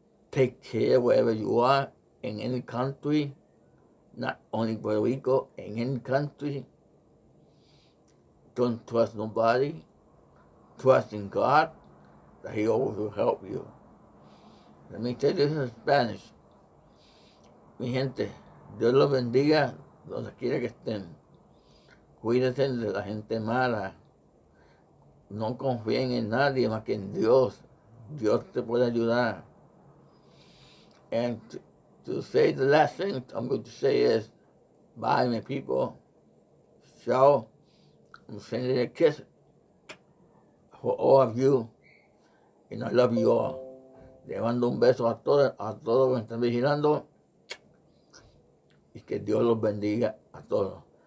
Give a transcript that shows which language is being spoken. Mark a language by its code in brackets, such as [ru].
[en] Take care wherever you are. In any country, not only Puerto Rico, in any country, don't trust nobody. Trust in God, that He always will help you. Let me tell you this in Spanish. [es] Mi gente, Dios los bendiga donde quiera que estén. Cuídense de la gente mala. No confíen en nadie más que en Dios. Dios te puede ayudar. [en] To say the last thing I'm going to say is, bye, my people. So, I'm sending a kiss for all of you, and I love you all. [es] Le mando un beso a todos que están vigilando, y que Dios los bendiga a todos.